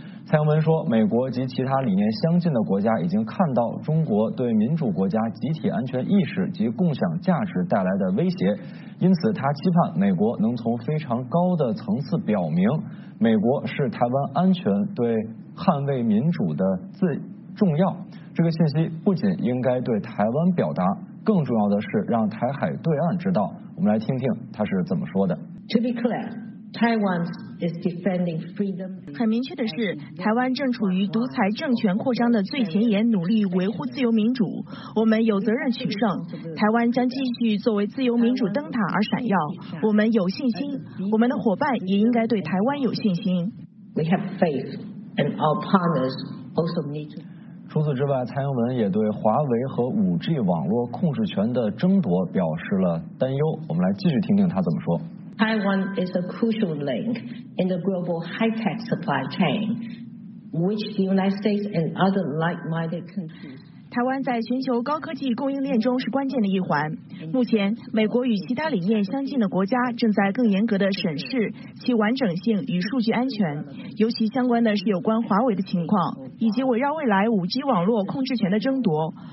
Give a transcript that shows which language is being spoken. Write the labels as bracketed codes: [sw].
[zh] 蔡英文说，美国及其他理念相近的国家已经看到中国对民主国家集体安全意识及共享价值带来的威胁，因此他期盼美国能从非常高的层次表明美国是台湾安全对捍卫民主的最重要，这个信息不仅应该对台湾表达，更重要的是让台海对岸知道。我们来听听他是怎么说的。 [en] To be clear, Taiwan is defending freedom. [zh] 很明确的是，台湾正处于独裁政权扩张的最前沿，努力维护自由民主，我们有责任取胜，台湾将继续作为自由民主灯塔而闪耀，我们有信心，我们的伙伴也应该对台湾有信心。 [en] We have faith and our partners also need to... [zh] 除此之外，蔡英文也对华为和 5G 网络控制权的争夺表示了担忧。我们来继续听听他怎么说。 [en] Taiwan is a crucial link in the global high-tech supply chain, which the United States and other like-minded countries. [zh] 台湾在全球高科技供应链中是关键的一环，目前美国与其他理念相近的国家正在更严格地审视其完整性与数据安全，尤其相关的是有关华为的情况，以及围绕未来 5G 网络控制权的争夺。